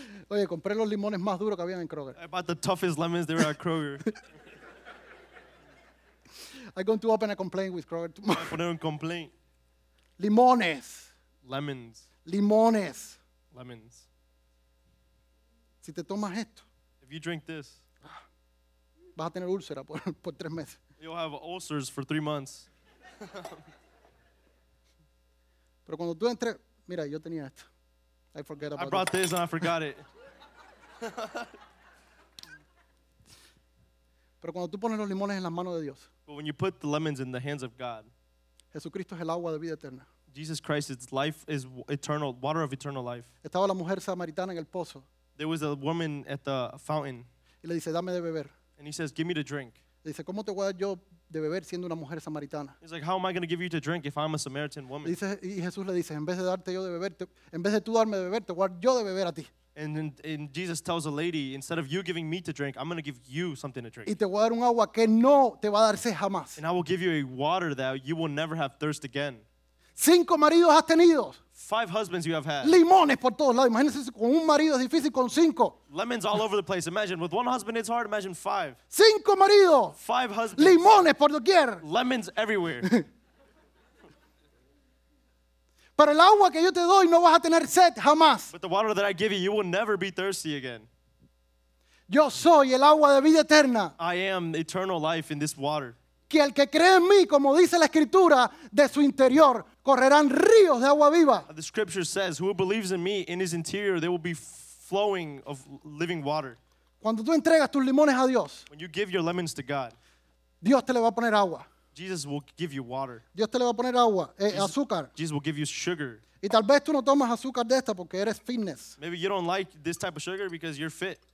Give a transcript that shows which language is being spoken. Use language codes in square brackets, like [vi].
[es] Oye, compré los limones más duros que habían en Kroger. [en] I bought the toughest lemons there at Kroger. I'm going to open a complaint with Kroger tomorrow. [es] Voy a poner un complaint. Limones. [en] Lemons. [es] Limones. [en] Lemons. [es] Si te tomas esto. [en] If you drink this. [es] Vas a tener úlcera por tres meses. [en] You'll have ulcers for 3 months. [es] Pero cuando tú entres, mira, yo tenía esto. [en] I forget about it. I brought this and I forgot it. [es] Pero cuando tú pones los limones en las manos de Dios. [en] But when you put the lemons in the hands of God. [es] Jesucristo es el agua de vida eterna. [en] Jesus Christ is life, is eternal, water of eternal life. [es] Estaba la mujer samaritana en el pozo. [en] There was a woman at the fountain. [es] Y le dice, dame de beber. [en] And he says, give me to drink. [es] Dice, ¿cómo te voy a yo de beber siendo una mujer samaritana? [en] He's like, how am I going to give you to drink if I'm a Samaritan woman? [es] Dice, y Jesús le dice, en vez de darte yo de beber, en vez de tú darme de beber, te voy a dar yo de beber a ti. [en] And Jesus tells the lady, instead of you giving me to drink, I'm going to give you something to drink. [es] Y te voy a dar un agua que no te va a darse jamás. [en] And I will give you a water that you will never have thirst again. [es] 5 maridos has tenido. [en] 5 husbands you have had. [es] Limones por todos lados. Imagínense con un marido es difícil con 5. [en] Lemons all over the place. Imagine with one husband it's hard. Imagine 5. [es] 5 maridos. [en] 5 husbands. [es] Limones por doquier. [en] Lemons everywhere. [es] Para el agua que yo te doy no vas a tener sed jamás. [en] But the water that I give you, you will never be thirsty again. [es] Yo soy el agua de vida eterna. [en] I am eternal life in this water. [es] Que el que cree en mí, como dice la Escritura, de su interior correrán ríos de agua viva. [en] The Scripture says, who believes in me, in his interior, there will be flowing of living water. [es] Cuando tú entregas tus limones a Dios, [en] when you give your lemons to God, [es] Dios te le va a poner agua. [en] Jesus will give you water. [es] Dios te le va a poner agua, azúcar. [en] Jesus will give you sugar. [es] Y tal vez tú no tomas azúcar de esta porque eres fitness. [en] Maybe you don't like this type of sugar because you're fit.